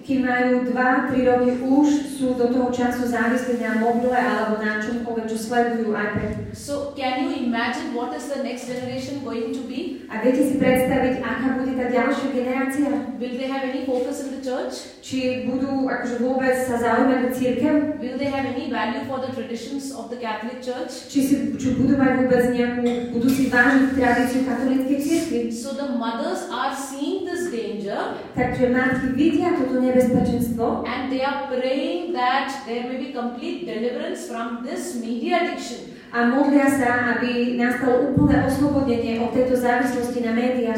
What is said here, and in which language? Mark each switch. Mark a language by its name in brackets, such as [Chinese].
[Slovak] Kým majú 2-3 roky, už sú do toho času závislí na mobile alebo na čomkoľvek, čo sledujú iPad. [English] So, can you imagine what is the next generation going to be? [Slovak] A viete si predstaviť, aká bude tá ďalšia generácia? [English] Will they have any focus in the church? [Slovak] Či budú akože vôbec sa zaujímať o cirkev? [English] Will they have any value for the traditions of the Catholic Church? [Slovak] Či budú mať vôbec nejakú, budú si vážiť tradíciu katolíckej cirkvi? [English] So the mothers are seeing this danger. [Slovak] Takže matky vidia toto nebezpečenstvo. [English] And they are praying that there may be complete deliverance from this media addiction. [Slovak] a modlia sa, aby nastalo úplne oslobodenie od tejto závislosti na médiách.